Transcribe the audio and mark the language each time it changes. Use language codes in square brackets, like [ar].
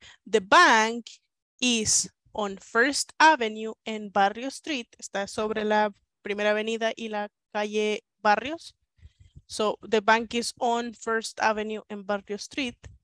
[en] The bank is on First Avenue and Barrio Street. [es] Está sobre la primera avenida y la calle Barrios. [en] So, the bank is on First Avenue and Barrio Street.